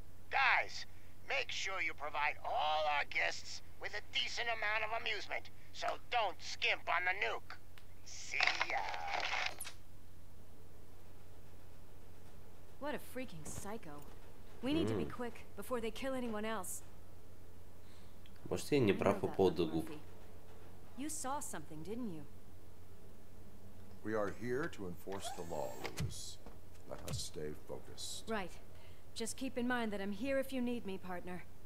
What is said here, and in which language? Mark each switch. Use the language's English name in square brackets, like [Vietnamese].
[English] Guys, make sure you provide all our guests with a decent amount of amusement, so don't skimp on the nuke. See ya. What a freaking psycho. We need to be quick before they kill anyone else. [Russian] Может, я не прав по поводу губ. [English] You saw something, didn't you? We are here to enforce the law, Lewis. Let us stay focused. Right. Just keep in mind that I'm here if you need me, partner.